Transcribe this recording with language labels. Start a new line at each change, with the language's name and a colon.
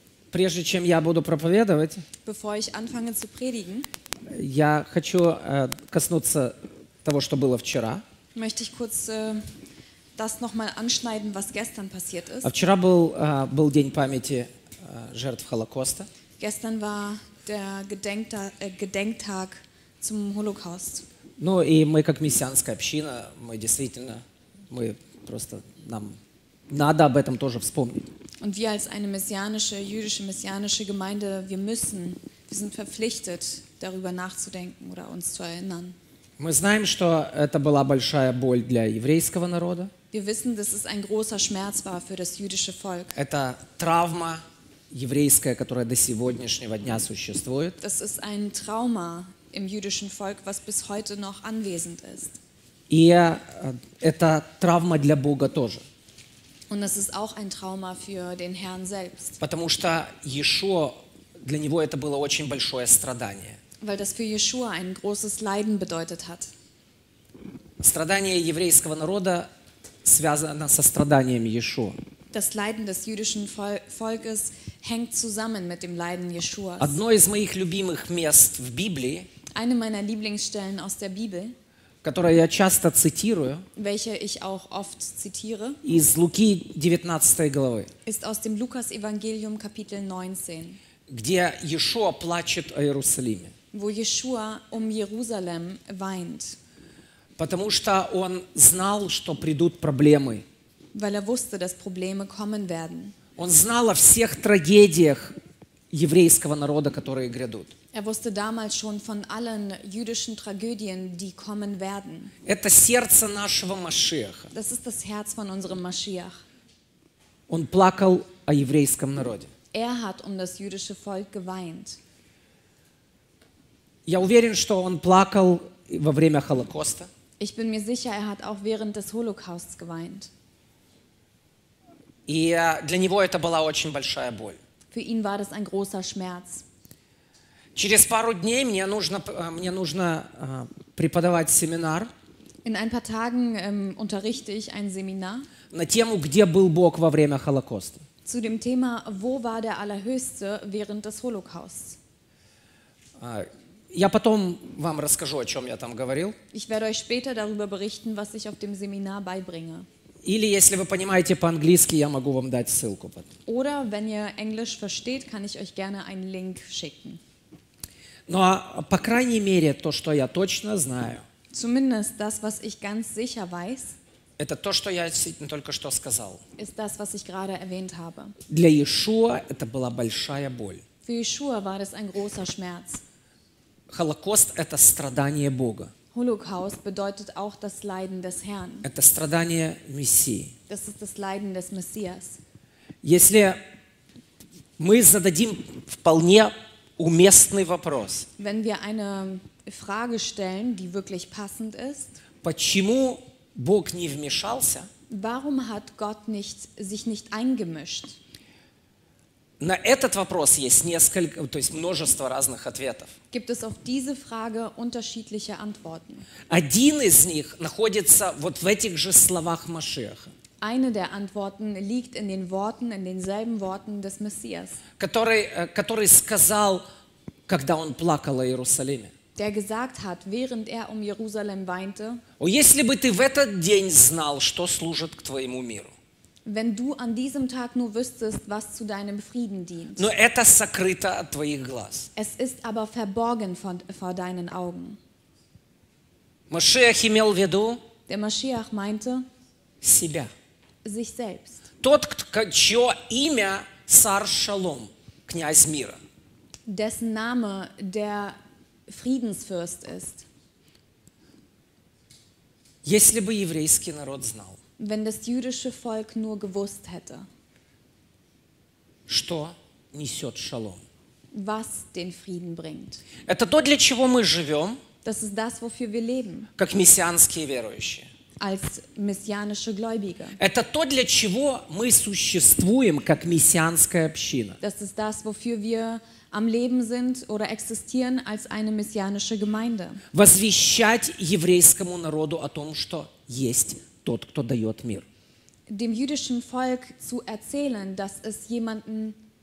Russian: Прежде чем я буду проповедовать,
German: bevor ich anfange zu predigen,
Russian: я хочу коснуться того, что было вчера.
German: Möchte ich kurz das noch mal anschneiden, was gestern passiert ist.
Russian: А вчера был был день памяти жертв Холокоста.
German: Gestern war der Gedenktag zum Holocaust.
Russian: Ну и мы как мессианская община, мы действительно мы просто нам надо об этом тоже вспомнить.
German: Und wir als eine messianische, jüdische, messianische Gemeinde, wir müssen, wir sind verpflichtet, darüber nachzudenken oder uns zu erinnern.
Russian: Мы знаем, что это была большая боль для еврейского народа.
German: Wir wissen, dass es ein großer Schmerz war für das jüdische Volk.
Russian: Это травма еврейская, которая до сегодняшнего дня существует.
German: Das ist ein Trauma im jüdischen Volk, was bis heute noch anwesend ist.
Russian: И это травма для Бога тоже.
German: Und das ist auch ein Trauma für den Herrn selbst.
Russian: Потому что Иешуа, для него это было очень большое страдание.
German: Weil das für Иешуа ein großes Leiden bedeutet hat.
Russian: Страдание еврейского народа связано со страданием Иешуа.
German: Das Leiden des jüdischen Volkes hängt zusammen mit dem Leiden Иешуа.
Russian: Одно из моих любимых мест в Библии,
German: eine meiner Lieblingsstellen aus der Bibel,
Russian: которое я часто цитирую,
German: welche ich auch oft zitiere,
Russian: из Луки 19 главы,
German: ist aus dem Lukas Evangelium Kapitel 19,
Russian: где Иешуа плачет о Иерусалиме,
German: wo Иешуа um Jerusalem weint,
Russian: потому что он знал, что придут проблемы,
German: weil er wusste, dass Probleme kommen werden.
Russian: Он знал о всех трагедиях еврейского народа, которые грядут.
German: Er wusste damals schon von allen jüdischen Tragödien, die kommen werden.
Russian: Это сердце нашего Машиаха.
German: Das ist das Herz von unserem Машиах.
Russian: Он плакал о еврейском народе.
German: Er hat um das jüdische Volk geweint.
Russian: Я уверен, что он плакал во время Холокоста.
German: Ich bin mir sicher, er hat auch während des Holocausts geweint.
Russian: И для него это была очень большая боль.
German: Für ihn war das ein großer Schmerz.
Russian: Через пару дней мне нужно преподавать семинар.
German: In ein paar Tagen unterrichte ich ein Seminar.
Russian: На тему, где был Бог во время Холокоста.
German: Zu dem Thema, wo war der Allerhöchste während des Holocausts?
Russian: Я потом вам расскажу, о чем я там говорил.
German: Ich werde euch später darüber berichten, was ich auf dem Seminar beibringe.
Russian: Или если вы понимаете по-английски, я могу вам дать ссылку.
German: Oder wenn ihr Englisch versteht, kann ich euch gerne einen Link schicken.
Russian: Но по крайней мере то, что я точно знаю.
German: Zumindest das, was ich ganz sicher weiß.
Russian: Это то, что я только что сказал.
German: Ist das, was ich gerade erwähnt habe.
Russian: Для Иешуа это была большая боль.
German: Für Иешуа war das ein großer Schmerz.
Russian: Холокост это страдание Бога.
German: Holocaust bedeutet auch das Leiden des Herrn.
Russian: Это страдание Мессии.
German: Das ist das Leiden des Messias.
Russian: Если мы зададим вполне уместный вопрос.
German: Wenn wir eine Frage stellen, die wirklich passend ist.
Russian: Почему Бог не вмешался?
German: Warum hat Gott nicht, sich nicht eingemischt?
Russian: На этот вопрос есть несколько, то есть множество разных ответов.
German: Gibt es auf diese Frage unterschiedliche Antworten?
Russian: Один из них находится вот в этих же словах Машиаха.
German: Eine der Antworten liegt in den Worten, in denselben Worten des Messias.
Russian: Который сказал, когда он плакал о Иерусалиме.
German: Der gesagt hat, während er um Jerusalem weinte.
Russian: О, если бы ты в этот день знал, что служит к твоему миру.
German: Wenn du an diesem Tag nur wüsstest, was zu deinem Frieden dient.
Russian: Но это сокрыто от твоих глаз.
German: Es ist aber verborgen vor deinen Augen.
Russian: Машиах имел в виду.
German: Der Машиах meinte.
Russian: Себя.
German: Sich selbst.
Russian: Тот, чье имя Цар Шалом, князь мира.
German: Dessen Name der Friedensfürst ist.
Russian: Если бы еврейский народ знал.
German: Wenn das jüdische Volk nur gewusst hätte.
Russian: Что несет Шалом.
German: Was den Frieden bringt.
Russian: Это то, для чего мы живем.
German: Das ist das, wofür wir leben.
Russian: Как мессианские верующие.
German: Als messianische Gläubige.
Russian: Это то, для чего мы существуем, как мессианская община.
German: Das ist das, wofür wir am Leben sind oder existieren als eine messianische Gemeinde.
Russian: Возвещать еврейскому народу о том, что есть тот, кто дает мир.
German: Dem jüdischen Volk zu erzählen, dass es jemanden